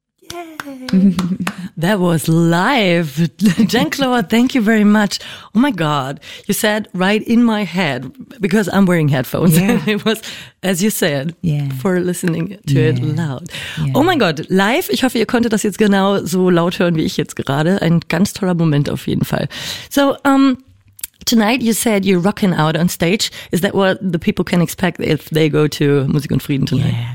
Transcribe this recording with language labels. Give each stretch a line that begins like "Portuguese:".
English: Yay! That was live. Jean-Claude, thank you very much. Oh my God, you said right in my head, because I'm wearing headphones. Yeah. It was, as you said, for listening to it loud. Yeah. Oh my God, live.
German: Ich hoffe, ihr konntet das jetzt genau so laut hören, wie ich jetzt gerade. Ein ganz toller Moment auf jeden Fall.
English: So, tonight you said you're rocking out on stage. Is that what the people can expect if they go to Musik und Frieden tonight?